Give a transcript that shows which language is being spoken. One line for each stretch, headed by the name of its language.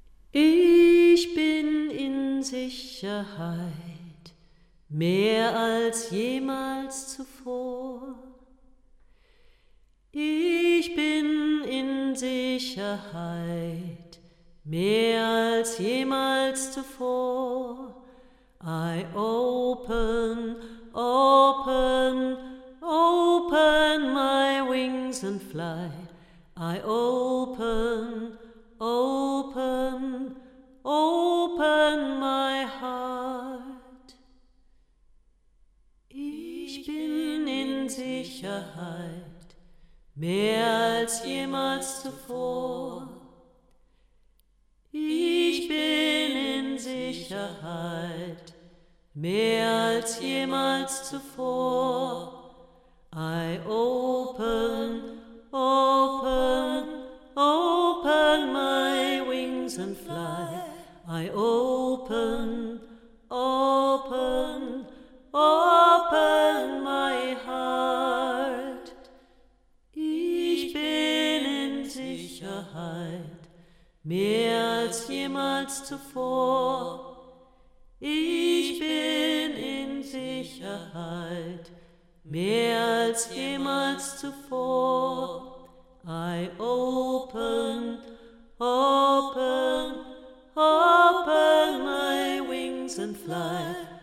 German: Ich bin in Sicherheit, mehr als jemals zuvor. Ich bin in Sicherheit, mehr als jemals zuvor.
English: I open, open, open my wings and fly. I open, open, open my heart.
German: Ich bin in Sicherheit, mehr als jemals zuvor. Ich bin in Sicherheit, mehr als jemals zuvor.
English: I open, open, open my wings and fly. I open, open, open my heart.
German: Ich bin in Sicherheit, mehr als jemals zuvor. Ich bin in Sicherheit, mehr als jemals zuvor.
English: I open, open, open my wings and fly.